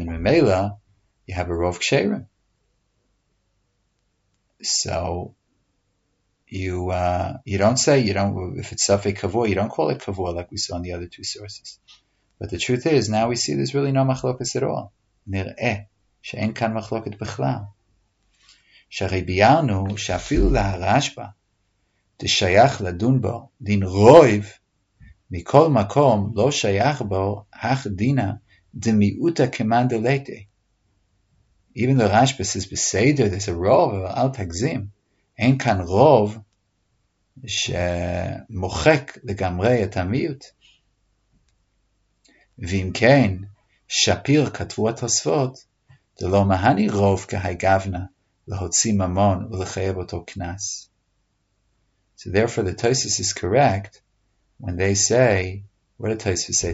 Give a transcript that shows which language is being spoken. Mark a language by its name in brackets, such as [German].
[English] And Mimela, you have a Rov Ksherim. So you don't say, you don't, if it's Safek Kavua, you don't call it Kavua like we saw in the other two sources. But the truth is, now we see there's really no machlokas at all. [Hebrew] נראה שאין כאן מחלוקת בכלל. שהרי ביארנו שאפילו להרשב"א תשייך לדון בו דין רויב, מכל מקום לא שייך בו אך דינה דמיעוטה כמאן דלתי. [English] Even the Rashba says בסדר, there's a רוב, [Hebrew] אבל אל תגזים. אין כאן רוב שמוחק לגמרי את המיעוט. ואם כן, שפיר כתבו התוספות, דלא מהני רוב כהי גוונה, להוציא ממון ולחייב אותו קנס. [English] So therefore the Tosfos is correct when they say, what did Tosfos say?